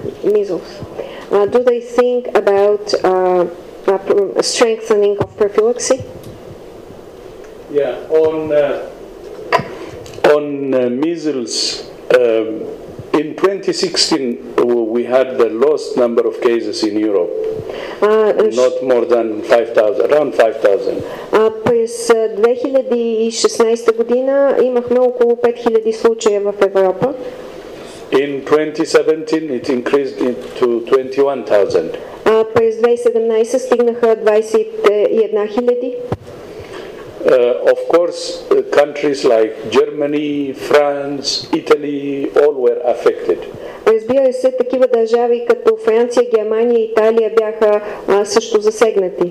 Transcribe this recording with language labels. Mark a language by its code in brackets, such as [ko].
[en] Do they think about strengthening of prophylaxis? Yeah, on measles, in 2016 we had the lowest number of cases in Europe. Not more than 5,000, around 5,000. [bg] През 2016 година имахме около 5,000 случая в Европа. [en] In 2017 it increased to 21,000. [bg] През 2017 стигнаха 21,000. [en] Of course, countries like Germany, France, Italy, all were affected. [bg] Разбира се, такива държави като Франция, Германия и Италия бяха също засегнати.